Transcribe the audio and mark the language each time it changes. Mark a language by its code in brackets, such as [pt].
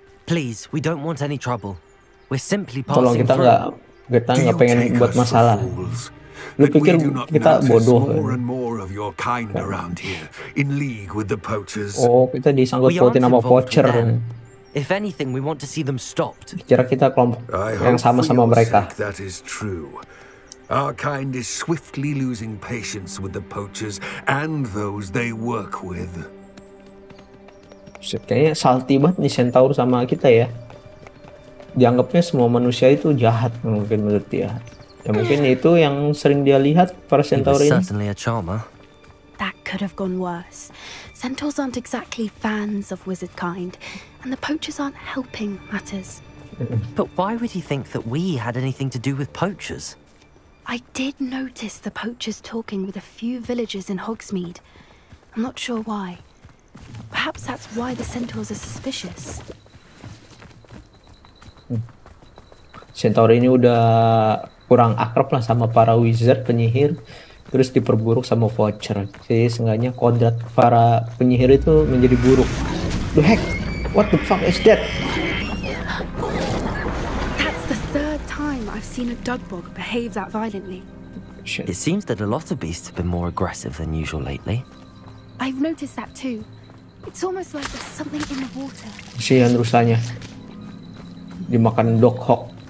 [en] Please, we don't want any trouble. We're simply [id] passing. Tolong, kita enggak pengen buat masalah. Lu pikir kita bodoh kan? Kita disangkut-pautin nama poacher. [en] If anything, we want to see them stopped. [id] Kira kita kelompok yang sama mereka. [en] That is true. Our kind is swiftly losing patience with the poachers and those they work with. [id] Kayaknya salty banget nih centaur sama kita ya. Dianggapnya semua manusia itu jahat mungkin menurut dia. Ya mungkin itu yang sering dia lihat para centaur ini. [en] That could have gone worse. Centaurs aren't exactly fans of wizard kind, and the poachers aren't helping matters. But why would he think that we had anything to do with poachers? I did notice the poachers talking with a few villagers in Hogsmeade. I'm not sure why. Perhaps that's why the centaurs are suspicious. [id] Centaur ini udah kurang akrab lah sama para wizard penyihir, terus diperburuk sama voucher. Jadi seenggaknya kodrat para penyihir itu menjadi buruk. [en] The heck? What the fuck is that? That's the third time I've seen a dugbog behave that violently. It seems that a lot of beasts have been more aggressive than usual lately. I've noticed that too. It's almost like there's something in the water. [id] Kasihan rusanya. Dimakan dog hawk.